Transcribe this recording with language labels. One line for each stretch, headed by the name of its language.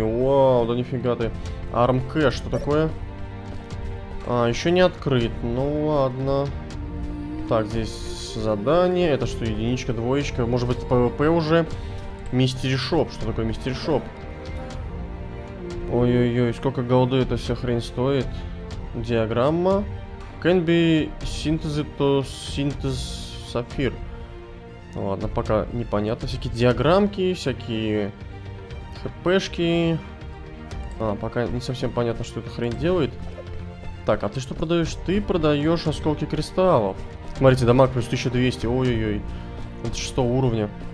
Russian: Вау, да нифига ты. Армкэш, что такое? А, еще не открыт. Ну ладно. Так, здесь задание. Это что, единичка, двоечка? Может быть, ПВП уже? Мистери шоп. Что такое мистери шоп? Ой-ой-ой, сколько голды эта вся хрень стоит? Диаграмма.
English: Can be synthesized to synthesize sapphire.
Russian: Ладно, пока непонятно. Всякие диаграммки, всякие хпшки. А, пока не совсем понятно, что эта хрень делает. Так, а ты что продаешь? Ты продаешь осколки кристаллов. Смотрите, дамаг плюс 1200. Ой-ой-ой. Это 6 уровня.